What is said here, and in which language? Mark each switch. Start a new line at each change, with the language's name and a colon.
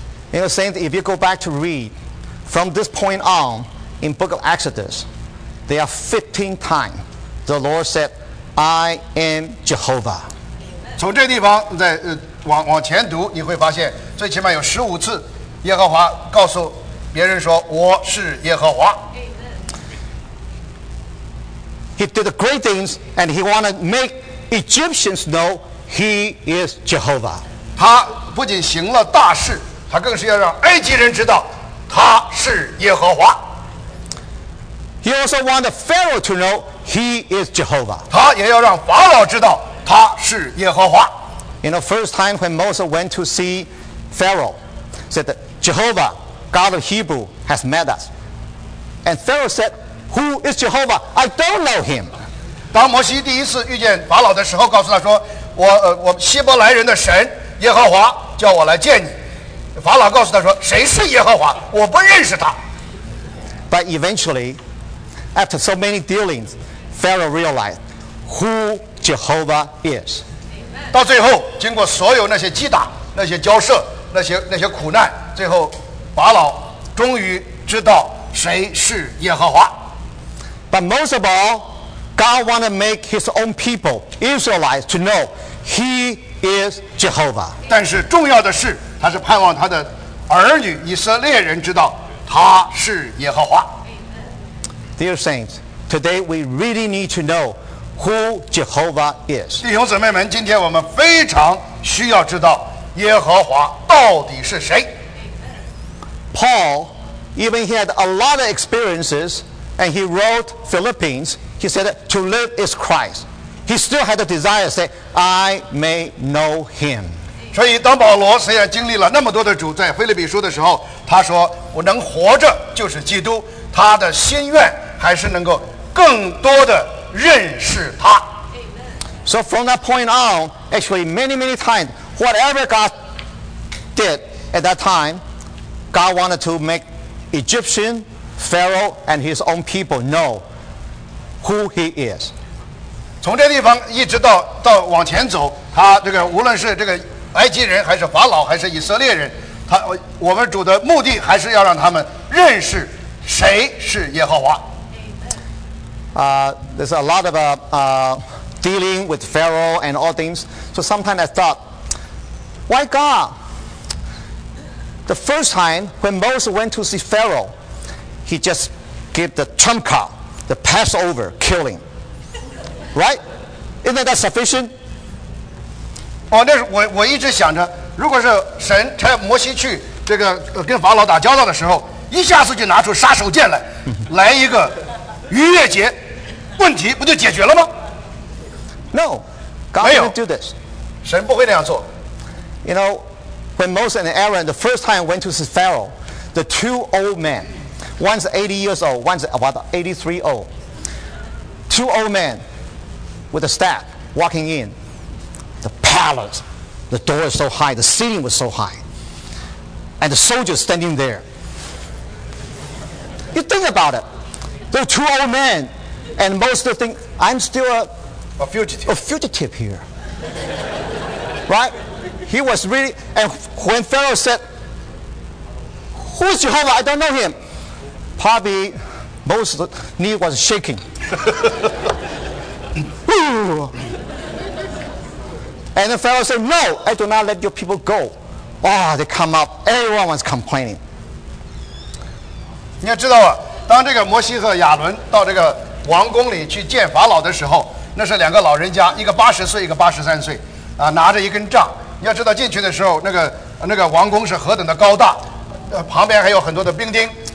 English: You know, saints, if you go back to read from this point on in book of Exodus, there are 15 times the Lord said, "I am Jehovah."
Chinese: 从这地方再往前读，你会发现最起码有15次，耶和华告诉别人说：“我是耶和华。”
English: He did great things. And he wanted to make Egyptians know he is Jehovah.
Chinese: 他不仅行了大事，他更是要让埃及人知道他是耶和华。
English: He also wanted Pharaoh to know he is Jehovah.
Chinese: 他也要让法老知道他是耶和华。
English: In the first time when Moses went to see Pharaoh, said that Jehovah, God of Hebrew, has met us. And Pharaoh said, "Who is Jehovah? I don't know him."
Chinese: 当摩西第一次遇见法老的时候，告诉他说：“我希伯来人的神耶和华叫我来见你。法老告诉他说，谁是耶和华？我不认识他。
English: But eventually, after so many dealings, Pharaoh realized who Jehovah is.
Chinese: 到最后，经过所有那些击打、那些交涉、那些苦难，最后法老终于知道谁是耶和华。
English: But most of all, God wanted to make His own people, Israelites, to know He is Jehovah.
Chinese: 但是重要的是，他是盼望他的儿女以色列人知道他是耶和华。
English: Dear saints, today we really need to know who Jehovah is.
Chinese: 弟兄姊妹们，今天我们非常需要知道耶和华到底是谁。
English: Paul, even he had a lot of experiences, and he wrote Philippians. He said to live is Christ. He still had a desire to say, I may know Him.
Chinese: 所以当保罗虽然经历了那么多的主，在腓立比书的时候，他说我能活着就是基督，他的心愿还是能够更多的认识他。
English: So from that point on, actually many times, whatever God did at that time, God wanted to make Egyptian, Pharaoh and his own people know who he is.
Chinese: 从这地方一直到往前走，他这个无论是这个埃及人还是法老还是以色列人，他我们主的目的还是要让他们认识谁是耶和华。
English: There's a lot of dealing with Pharaoh and all things. So sometimes I thought, why God? The first time when Moses went to see Pharaoh, he just gave the trump card, the Passover killing, right? Isn't that sufficient?
Chinese: 哦，那是我一直想着，如果是神差摩西去这个跟法老打交道的时候，一下子就拿出杀手锏来，来一个逾越节，问题不就解决了吗
English: ？No, God didn't do this.
Chinese: 神不会那样做。
English: You know, when Moses and Aaron the first time went to see Pharaoh, the two old men, one's 80 years old, one's about 83 old, two old men with a staff walking in. The palace, the door is so high, the ceiling was so high, and the soldiers standing there. You think about it. There are two old men, and most of them think, I'm still a fugitive here. Right? He was really, and when Pharaoh said, who is Jehovah? I don't know him. Probably most of the knee was shaking. And the Pharaoh said, no, I do not let your people go. Oh, they come up. Everyone was complaining.
Chinese: 你要知道啊，当这个摩西和亚伦到这个王宫里去见法老的时候，那是两个老人家，一个80岁，一个83岁，拿着一根杖。你要知道进去的时候，那个王宫是何等的高大，旁边还有很多的兵丁。